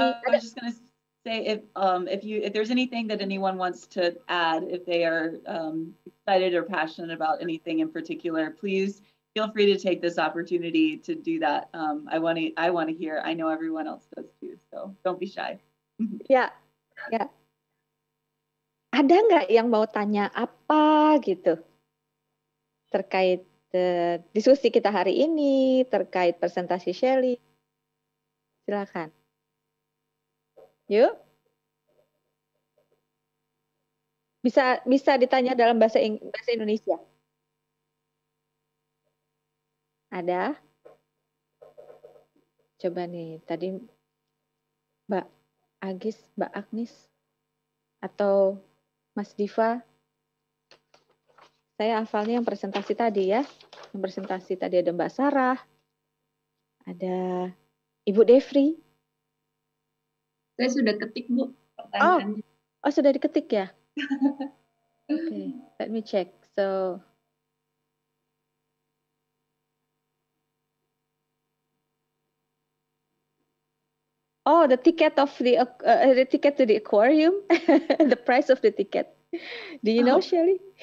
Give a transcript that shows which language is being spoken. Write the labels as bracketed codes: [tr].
[en] I was just gonna say if there's anything that anyone wants to add, if they are excited or passionate about anything in particular, please feel free to take this opportunity to do that. I want to hear. I know everyone else does too, so don't be shy. Yeah. [id] Ada nggak yang mau tanya apa gitu terkait diskusi kita hari ini, terkait presentasi Shelley? Silakan. Yuk. Bisa ditanya dalam bahasa Indonesia. Ada? Coba nih, tadi Mbak Agis, Mbak Agnes, atau Mas Diva. Saya hafalnya yang presentasi tadi ya. Yang presentasi tadi ada Mbak Sarah. Ada Ibu Devri. Saya sudah ketik, Bu, pertanyaannya. [en] Oh, [id] sudah diketik ya? [en] Okay, let me check. So, oh, the ticket of the ticket to the aquarium, the price of the ticket. Do you know, Shelley?